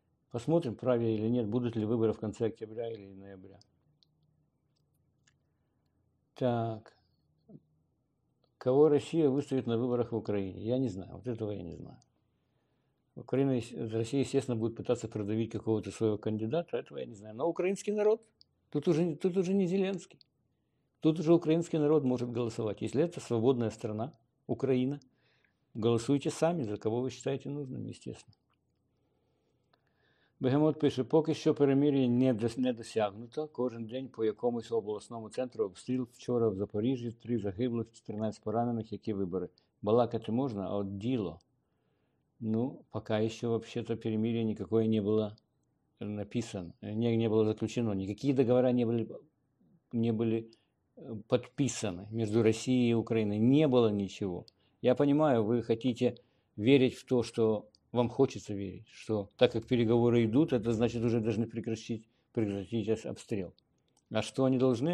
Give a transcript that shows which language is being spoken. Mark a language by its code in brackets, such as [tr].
[uk] Посмотрим, прав я чи ні, будуть ли вибори в кінці октября чи ноября. Так. Кого Росія виставить на виборах в Україні? Я не знаю. От цього я не знаю. Україна, Росія, звісно, буде намагатися продавити якогось свого кандидата. Цього я не знаю. Але український народ... [ru] Тут уже не Зеленский. Тут уже украинский народ может голосовать. Если это свободная страна, Украина, голосуйте сами, за кого вы считаете нужным, естественно. [uk] Бегемот пише, поки що перемир'я не досягнуто. Кожен день по якомусь обласному центру обстріл. Вчора в Запоріжжі 3 загиблих, 14 поранених. Які вибори? Балакати можна, а от діло. Ну, поки що, вообще-то, перемир'я ніякого не було. [ru] Написано, не было заключено, никакие договора не были подписаны между Россией и Украиной, не было ничего. Я понимаю, вы хотите верить в то, что вам хочется верить, что так как переговоры идут, это значит уже должны прекратить обстрел. А что они должны?